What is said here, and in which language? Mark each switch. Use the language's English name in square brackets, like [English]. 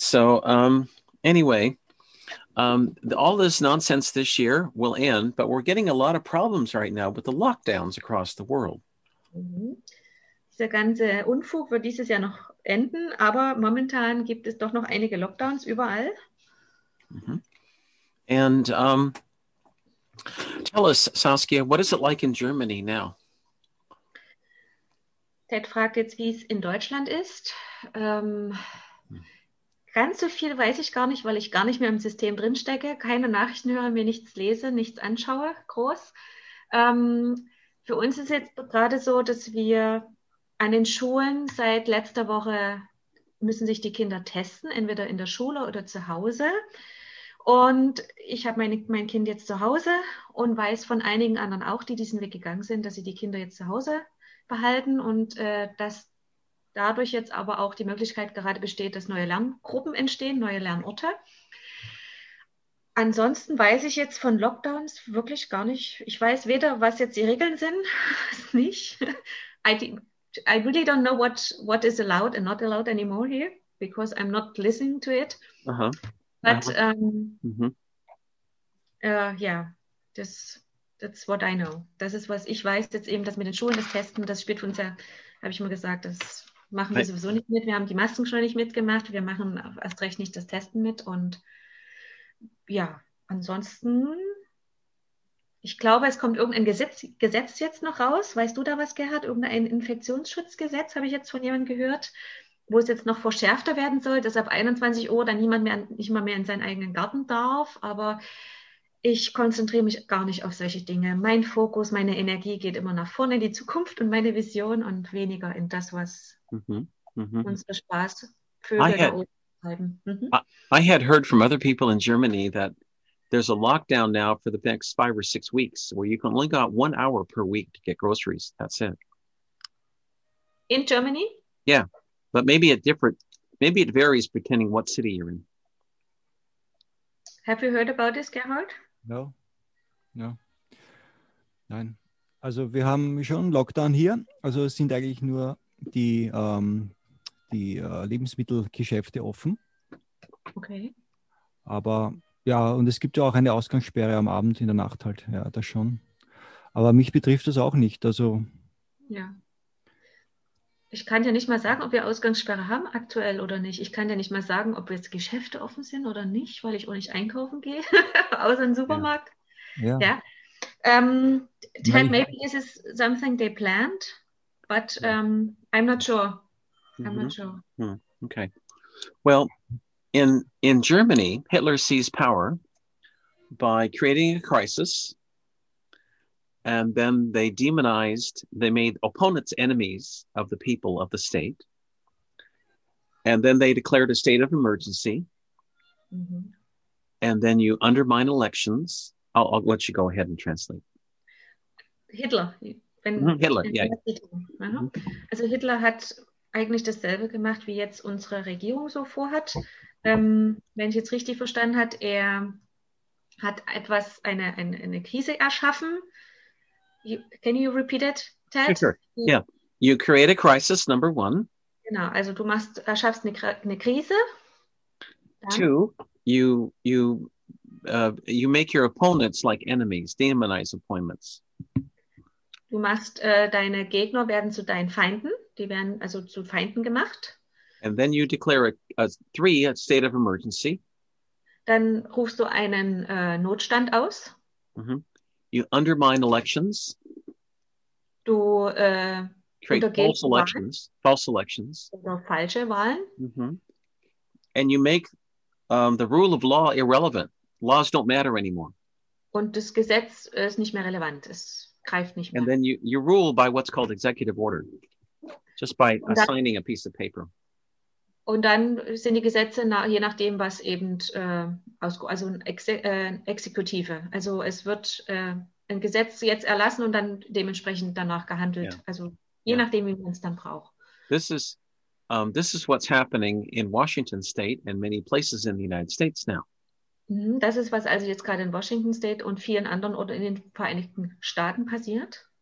[English] So anyway, all this nonsense this year will end, but we're getting a lot of problems right now with the lockdowns across the world. [German] Der ganze Unfug wird dieses Jahr noch enden, aber momentan gibt es doch noch einige Lockdowns überall. Mm-hmm. [English] And tell us, Saskia, what is it like in Germany now? [German] Ted fragt jetzt, wie es in Deutschland ist. Ganz so viel weiß ich gar nicht, weil ich gar nicht mehr im System drinstecke, keine Nachrichten höre, mir nichts lese, nichts anschaue, groß. Für uns ist jetzt gerade so, dass wir an den Schulen seit letzter Woche müssen sich die Kinder testen, entweder in der Schule oder zu Hause. Und ich habe mein Kind jetzt zu Hause und weiß von einigen anderen auch, die diesen Weg gegangen sind, dass sie die Kinder jetzt zu Hause behalten und dass dadurch jetzt aber auch die Möglichkeit gerade besteht, dass neue Lerngruppen entstehen, neue Lernorte. Ansonsten weiß ich jetzt von Lockdowns wirklich gar nicht. Ich weiß weder, was jetzt die Regeln sind, nicht. [English] I really don't know what is allowed and not allowed anymore here, because I'm not listening to it. Uh-huh. But that's what I know. [German] Das ist, was ich weiß, jetzt eben, dass mit den Schulen das Testen, das spielt für uns ja, habe ich mal gesagt, das machen wir sowieso nicht mit. Wir haben die Masken schon nicht mitgemacht. Wir machen erst recht nicht das Testen mit. Und ja, ansonsten, ich glaube, es kommt irgendein Gesetz jetzt noch raus. Weißt du da was, Gerhard? Irgendein Infektionsschutzgesetz, habe ich jetzt von jemandem gehört, wo es jetzt noch verschärfter werden soll, dass ab 21 Uhr dann niemand mehr, nicht mal mehr in seinen eigenen Garten darf. Aber ich konzentriere mich gar nicht auf solche Dinge. Mein Fokus, meine Energie geht immer nach vorne in die Zukunft und meine Vision und weniger in das, was unser Spaß fördert. [English] I had heard from other people in Germany that there's a lockdown now for the next 5 or 6 weeks where you can only got 1 hour per week to get groceries. That's it. In Germany? Yeah, but maybe it varies depending what city you're in. Have you heard about this, Gerhard? No. No. [German] Nein. Also wir haben schon Lockdown hier. Also es sind eigentlich nur die Lebensmittelgeschäfte offen. [English] Okay. [German] Aber ja, und es gibt ja auch eine Ausgangssperre am Abend, in der Nacht halt. Ja, das schon. Aber mich betrifft das auch nicht. Also. Ja. Ich kann ja nicht mal sagen, ob wir Ausgangssperre haben aktuell oder nicht. Ich kann ja nicht mal sagen, ob jetzt Geschäfte offen sind oder nicht, weil ich auch nicht einkaufen gehe, außer im Supermarkt. Ja. Ja. [English] Ted, maybe this is something they planned, but I'm not sure. Okay. Well, in Germany, Hitler seized power by creating a crisis, and then they made opponents enemies of the people of the state, and then they declared a state of emergency, and then you undermine elections. I'll let you go ahead and translate. [German] Also Hitler hat eigentlich dasselbe gemacht, wie jetzt unsere Regierung so vorhat. Wenn ich jetzt richtig verstanden habe, er hat etwas, eine Krise erschaffen. [English] Can you repeat it, Ted? Sure. Yeah. You create a crisis, number one. [German] Genau, also du erschaffst eine Krise. Dann [English] two, you make your opponents like enemies, demonize opponents. [German] Du machst deine Gegner werden zu deinen Feinden. Die werden also zu Feinden gemacht. [English] And then you declare a state of emergency. [German] Dann rufst du einen Notstand aus. [English] Mm-hmm. You undermine elections. [German] Du [English] create false elections. [German] Wahlen. [English] False elections. [German] Oder falsche Wahlen. Mm-hmm. [English] And you make the rule of law irrelevant. Laws don't matter anymore. [German] Und das Gesetz ist nicht mehr relevant. Es greift nicht mehr. [English] And then you rule by what's called executive order. Just by assigning a piece of paper. [German] Und dann sind die Gesetze je nachdem, was eben Exekutive. Also es wird ein Gesetz jetzt erlassen und dann dementsprechend danach gehandelt. [English] Yeah. [German] Also je nachdem, wie man es dann braucht. [English] This is what's happening in Washington State and many places in the United States now. [German] Das ist, was also jetzt gerade in Washington State und vielen anderen oder in den Vereinigten Staaten passiert.